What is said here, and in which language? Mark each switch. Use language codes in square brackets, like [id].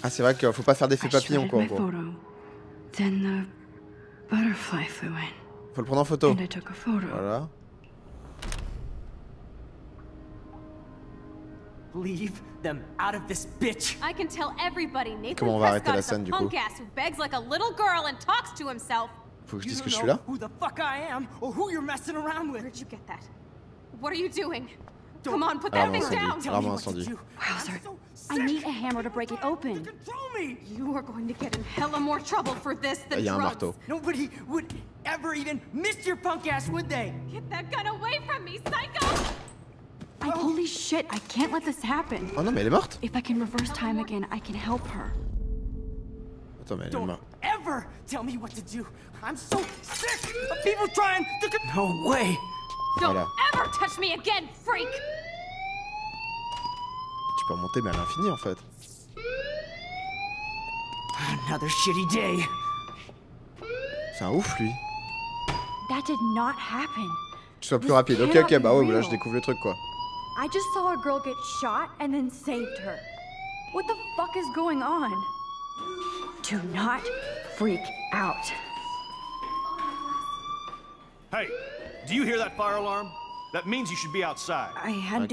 [fr] Ah, c'est vrai qu'il faut pas faire d'effet papillon, quoi, en gros. [en] Then the butterfly flew in. [fr] Faut le prendre en photo. [en] And I took a photo. [fr] Voilà. [en] Leave them out of this bitch. I can tell everybody. Nathan, [fr] comment on va arrêter la scène du coup? [en] Who begs like a little girl and talks to himself. [fr] Faut que je dise que je suis là. [en] Who the fuck I am or who you're messing around with? Where did you get that? What are you doing? Come on, put that thing down. Tell me what to do. Wowzer, I need a hammer to break it open. You are going to get in hella more trouble for this than drugs. [fr] Y a un marteau. [en] Nobody would ever even miss your punk ass, would they? Get that gun away from me, psycho! Holy shit, I can't let this happen. [fr] Oh non, mais elle est morte. [en] If I can reverse time again, I can help her. [fr] Attends, mais elle est morte. [en] Don't ever tell me what to do. I'm so sick of people trying to... No way. Don't ever touch me again, freak. [fr] Tu peux remonter, mais à l'infini, en fait. [en] Another shitty day. [fr] C'est un ouf, lui. [en] That did not happen. [fr] Tu sois plus rapide. Ok, ok, bah ouais, là, je découvre le truc, quoi. [en] I just saw a girl get shot and then saved her. What the fuck is going on? Do not freak out. Hey, do you hear that fire alarm? That means you should be outside. I had to